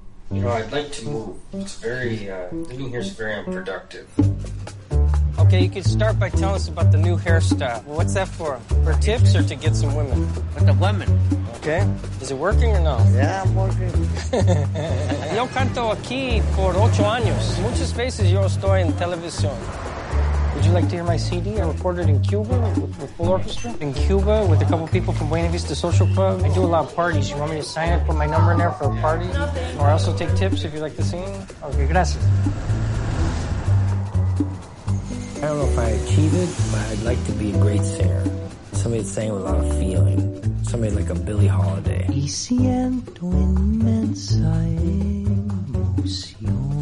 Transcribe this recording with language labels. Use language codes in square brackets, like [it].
[en] You know, I'd like to move. It's very, living here is very unproductive. Okay, you could start by telling us about the new hairstyle. Well, what's that for? For tips or to get some women? With the women. Okay. Is it working or no? Yeah, I'm working. [es] Yo canto aquí por ocho años. Muchas veces yo estoy en televisión. [en] Would you like to hear my CD? I recorded in Cuba with full orchestra. In Cuba with a couple people from Buena Vista Social Club. I do a lot of parties. You want me to sign up, put my number in there for a party? Nothing. Or I also take tips if you like the scene. Okay, [es] gracias. [en] I don't know if I achieve it, but I'd like to be a great singer. Somebody that sang with a lot of feeling. Somebody like a Billie Holiday. [es] Y siento inmensa emoción.